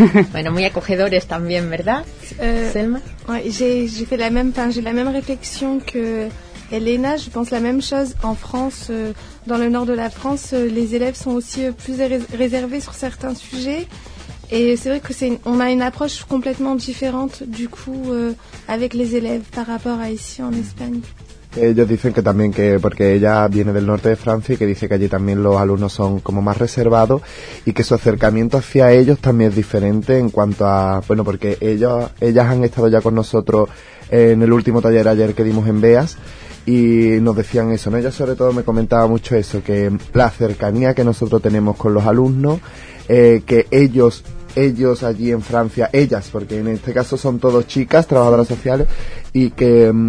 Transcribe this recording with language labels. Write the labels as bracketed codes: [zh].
[es] Bueno, muy acogedores también, ¿verdad, Selma? [fr] J'ai fait la même, enfin, j'ai la même réflexion que Elena. Je pense la même chose en France, dans le nord de la France. Les élèves sont aussi plus réservés sur certains sujets. Et c'est vrai qu'on a une approche complètement différente, du coup, avec les élèves par rapport à ici en Espagne. [es] Ellos dicen que también, que porque ella viene del norte de Francia y que dice que allí también los alumnos son como más reservados y que su acercamiento hacia ellos también es diferente en cuanto a, bueno, porque ellas han estado ya con nosotros en el último taller ayer que dimos en BEAS y nos decían eso, ¿no? Ella sobre todo me comentaba mucho eso, que la cercanía que nosotros tenemos con los alumnos, que ellos allí en Francia, ellas, porque en este caso son todos chicas, trabajadoras sociales, y que...